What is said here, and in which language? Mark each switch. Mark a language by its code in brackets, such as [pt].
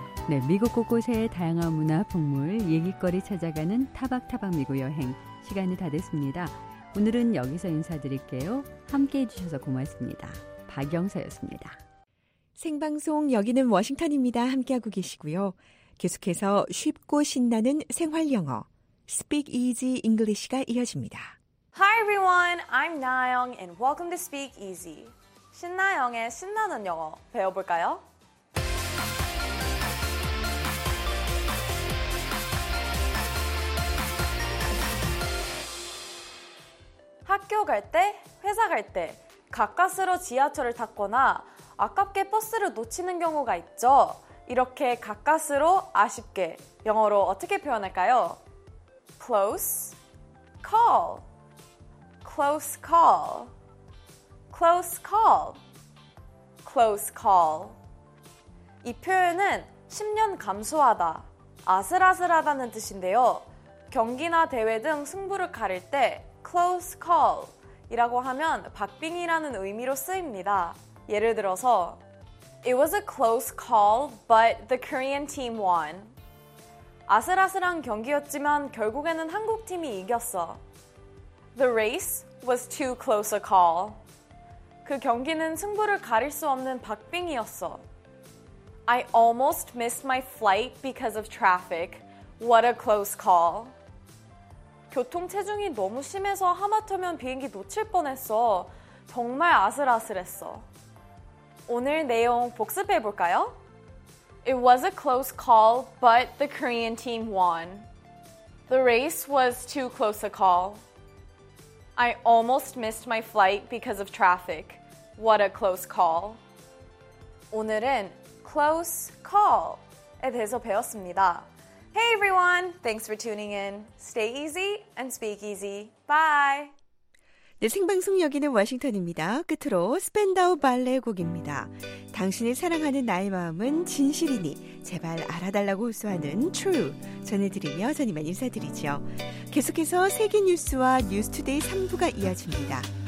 [ko] 네, 미국 곳곳의 다양한 문화 풍물, 얘기거리 찾아가는 타박타박 미국 여행, 시간이 다 됐습니다. 오늘은 여기서 인사드릴게요. 함께 해주셔서 고맙습니다. 박영서였습니다. 생방송 여기는 워싱턴입니다. 함께하고 계시고요. 계속해서 쉽고 신나는 생활 영어, Speak Easy English가 이어집니다. [en] Hi everyone, I'm Nayoung and welcome to Speak Easy. [ko] 신나영의 신나는 영어 배워볼까요? 학교 갈 때, 회사 갈 때 가까스로 지하철을 탔거나 아깝게 버스를 놓치는 경우가 있죠. 이렇게 가까스로 아쉽게 영어로 어떻게 표현할까요? [en] Close call. Close call. Close call. Close call. [ko] 이 표현은 10년 감수하다, 아슬아슬하다는 뜻인데요. 경기나 대회 등 승부를 가릴 때 close call 이라고 하면 박빙이라는 의미로 쓰입니다. 예를 들어서 [en] It was a close call, but the Korean team won. [ko] 아슬아슬한 경기였지만 결국에는 한국 팀이 이겼어. [en] The race was too close a call. [ko] 그 경기는 승부를 가릴 수 없는 박빙이었어. [en] I almost missed my flight because of traffic. What a close call. [ko] 교통체증이 너무 심해서 하마터면 비행기 놓칠 뻔했어. 정말 아슬아슬했어. 오늘 내용 복습해 볼까요? [en] It was a close call, but the Korean team won. The race was too close a call. I almost missed my flight because of traffic. What a close call. [ko] 오늘은 close call에 대해서 배웠습니다. [en] Hey everyone, thanks for tuning in. Stay easy and speak easy. Bye. [ko] 네, 생방송 여기는 워싱턴입니다. 끝으로 스팬다우 발레의 곡입니다. 당신이 사랑하는 나의 마음은 진실이니 제발 알아달라고 호소하는 True 전해드리며 저희만 인사드리죠. 계속해서 세계 뉴스와 뉴스 투데이 3부가 이어집니다.